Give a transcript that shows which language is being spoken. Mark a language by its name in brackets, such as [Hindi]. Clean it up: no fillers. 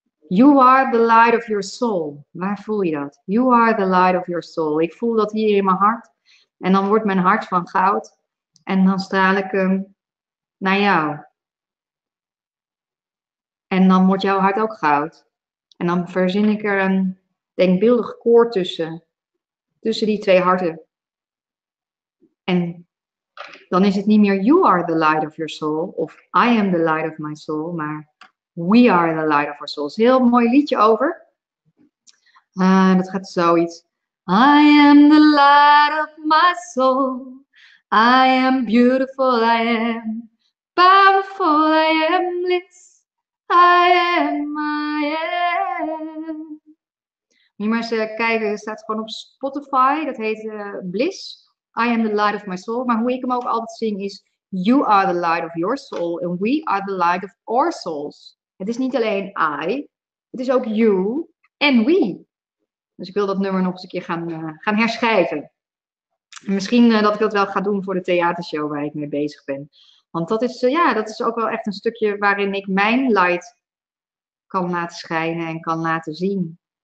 [English] You are the light of your soul. [Dutch] Waar voel je dat? [English] You are the light of your soul. [Dutch] Ik voel dat hier in mijn hart. En dan wordt mijn hart van goud. En dan straal ik hem naar jou. En dan wordt jouw hart ook goud. En dan verzin ik er een denkbeeldig koor tussen. Tussen die twee harten. En dan is het niet meer [English] you are the light of your soul. Of I am the light of my soul. [Dutch] Maar [English] We are the light of our souls. [Dutch] Heel mooi liedje over. Dat gaat zoiets. [English] I am the light of my soul. I am beautiful, I am powerful, I am bliss. I am, I am. [Dutch] Je moet eens kijken, het staat gewoon op Spotify. Dat heet Bliss. [English] I am the light of my soul. [Dutch] Maar hoe ik hem ook altijd zing is: [English] You are the light of your soul. And we are the light of our souls. [Dutch] Het is niet alleen I, het is ook you en we. Dus ik wil dat nummer nog eens een keer gaan herschrijven. Misschien dat ik dat wel ga doen voor de theatershow waar ik mee bezig ben. Want dat is, ja, dat is ook wel echt een stukje waarin ik mijn light kan laten schijnen en kan laten zien.